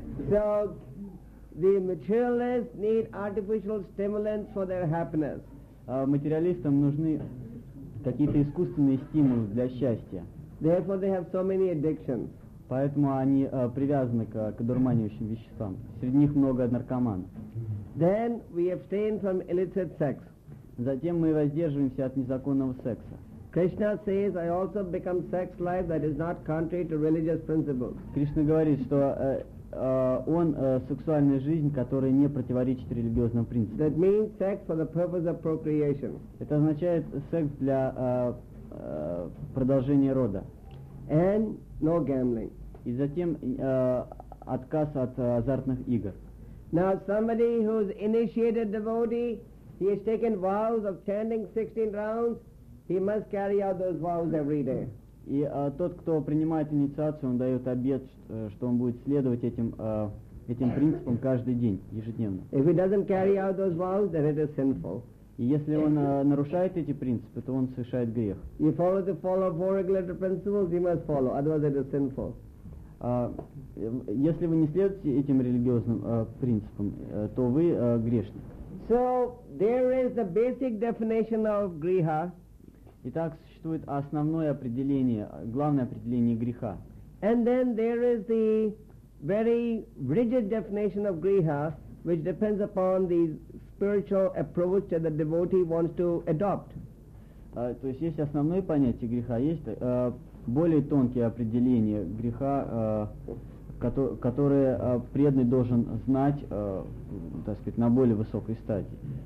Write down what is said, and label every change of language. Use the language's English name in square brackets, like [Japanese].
[English] So the materialists need artificial stimulants for their happiness. [Russian] материалистам нужны какие-то искусственные стимулы для счастья. [English] Therefore they have so many addictions. [Russian] Поэтому они привязаны к одурманивающим веществам. Среди них много наркоманов. [English] Then we abstain from illicit sex. [Russian] Затем мы воздерживаемся от незаконного секса. [English] Krishna says, I also become sex life that is not contrary to religious principles. [Russian] Кришна говорит, что он сексуальная жизнь, которая не противоречит религиозным принципам. [English] That means sex for the purpose of procreation. [Russian] Это означает секс для продолжения рода. [English] And no gambling. [Russian] И затем отказ от азартных игр. [English] Now somebody who is initiated devotee, he has taken vows of chanting 16 rounds, he must carry out those vows every day. [Russian] И тот, кто принимает инициацию, он дает обет, что он будет следовать этим, этим принципам каждый день, ежедневно. [English] If he doesn't carry out those vows, then it is sinful. [Russian] И если он нарушает эти принципы, то он совершает грех. [English] You follow the follow four regulated principles, you must follow, otherwise it is sinful. [Russian] Если вы не следуете этим религиозным принципам, то вы грешник. [English] So there is the basic definition of griha. [Russian] Итак, существует основное определение, главное определение греха. [English] And then there is the very rigid definition of griha, which depends upon the spiritual approach that the devotee wants to adopt. [Russian] То есть есть основное понятие греха, есть более тонкие определения греха, которые преданный должен знать, так сказать, на более высокой стадии.